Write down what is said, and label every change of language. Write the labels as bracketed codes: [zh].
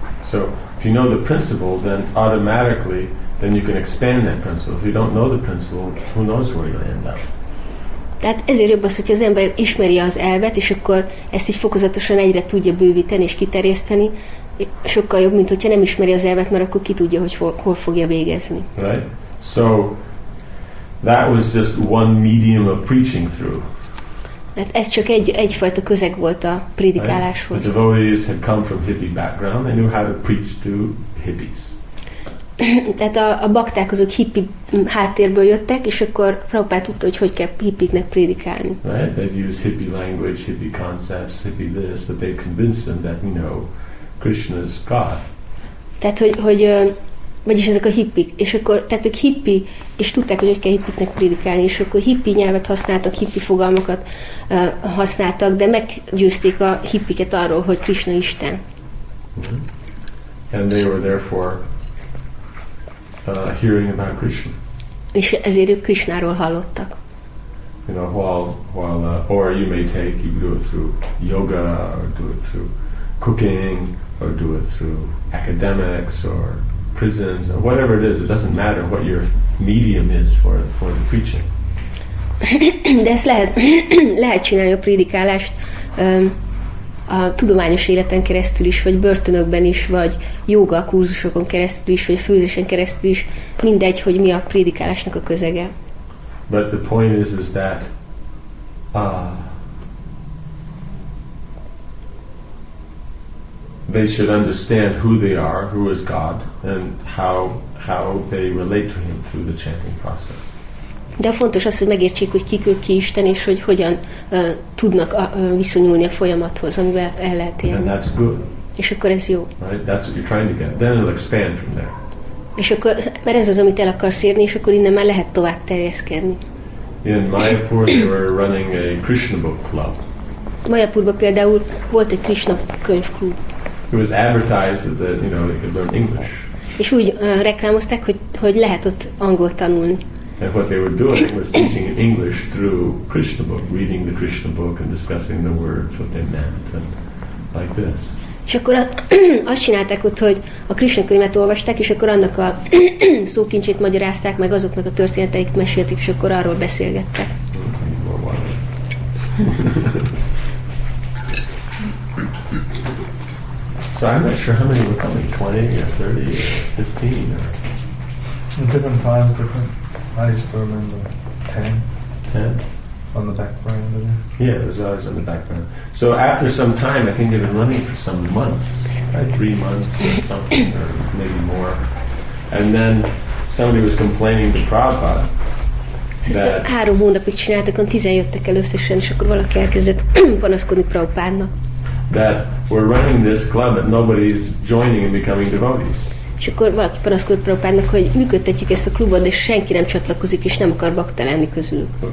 [en] So, if you know the principle, then automatically, then you can expand that principle. If you don't know the principle, who knows where you'll end up. [hu] Tehát ezért jobb az, hogyha az ember ismeri az elvet, és akkor ezt így fokozatosan egyre tudja bővíteni és kiterjeszteni, sokkal jobb, mint hogyha nem ismeri az elvet, mert akkor ki tudja, hogy hol fogja végezni. [en] Right? So that was just one medium of preaching through. [hu] Hát ez csak egyfajta közeg volt a prédikáláshoz. [en] Right? The devotees had come from hippie background and knew how to preach to hippies. [hu] Tehát a bakták azok hippi háttérből jöttek, és akkor Prabhupád tudta, hogy hogyan kell hippiknek prédikálni. [en] Right? They'd use hippie language, hippie concepts, hippie this, but they convinced them that, you know, Krishna is God. [hu] Tehát hogy vagyis ezek a hippik, és akkor tehát ők hippi, és tudták, hogy kell hippiknek prédikálni, és akkor hippi nyelvet használtak, hippi fogalmakat használtak, de meggyőzték a hippiket arról, hogy Krishna Isten. [en] Mm-hmm. And they were therefore hearing about Krishna. [hu] És ezért ők Krishnáról hallottak. [en] You know, while or you may take, you do it through yoga, or do it through cooking, or do it through academics, or prisons, or whatever it is. It doesn't matter what your medium is for the preaching. [hu] De ezt lehet csinálni a prédikálást a tudományos életen keresztül is, vagy börtönökben is, vagy jóga kurzusokon keresztül is, vagy főzésen keresztül is, mindegy, hogy mi a prédikálásnak a közege. [en] But the point is that they should understand who they are, who is God, and how they relate to him through the chanting process. [hu] De fontos az, hogy megértsék, hogy kik ők, ki Isten, és hogy hogyan tudnak viszonyulni a folyamathoz, amivel el lehet élni. [en] And that's good. [hu] És akkor ez jó. [en] Right? That's what you're trying to get. Then it'll expand from there. [hu] És akkor, mert ez az, amit el akarsz érni, és akkor innen már lehet tovább terjeszkedni. [en] In Mayapur, they were running a Krishna book club. [hu] Mayapurban például volt egy Krishna könyvklub. [en] It was advertised that, you know, they could learn English. [hu] És úgy reklámozták, hogy lehet ott angolt tanulni. [en] And what they were doing was teaching in English through Krishna book, reading the Krishna book and discussing the words, what they meant, and like this. [hu] És akkor azt csinálták ott, hogy a Krishna könyvet olvasták, és akkor annak a szókincsét magyarázták, meg azoknak a történeteit mesélték, és akkor arról beszélgettek. [en] So I'm not sure how many were coming, 20 or 30 or 15 or... In different times, different... I used to remember 10 on the back burner. Yeah, it was always on the back burner. So after some time, I think they've been running for some months, like 3 months or something, or maybe more. And then somebody was complaining to Prabhupada. [hu] Szóval 3 hónapig csináltak, on 10 jöttek el összesen, és akkor valaki elkezdett panaszkodni Prabhupádnak. [en] That we're running this club, but nobody's joining and becoming devotees. [hu] És akkor valaki panaszkodott Prabhupádnak, hogy működtetjük ezt a klubot, de senki nem csatlakozik, és nem akar bakta lenni közülük.